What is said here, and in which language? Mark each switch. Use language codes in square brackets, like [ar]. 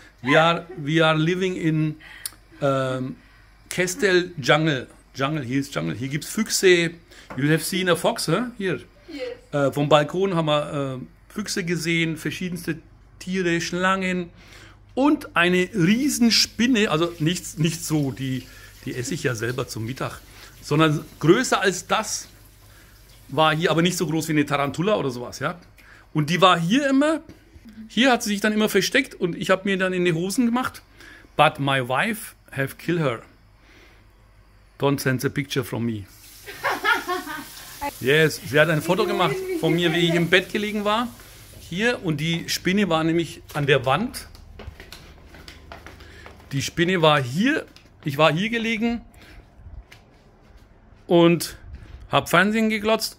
[en] We are living in Kestel Jungle. [de] Jungle, hier ist Jungle. Hier gibt es Füchse. [en] You have seen a fox, huh? [de] Hier. Vom Balkon haben wir Füchse gesehen, verschiedenste Tiere, Schlangen und eine Riesenspinne. Also nicht so, die esse ich ja selber zum Mittag, sondern größer als das war hier, aber nicht so groß wie eine Tarantula oder sowas, ja. Und die war hier immer. Hier hat sie sich dann immer versteckt und ich habe mir dann in die Hosen gemacht. [en] But my wife have killed her. Don't send the picture from me. [de] Yes, sie hat ein Foto gemacht von mir, wie ich im Bett gelegen war. Hier, und die Spinne war nämlich an der Wand. Die Spinne war hier. Ich war hier gelegen und habe Fernsehen geglotzt.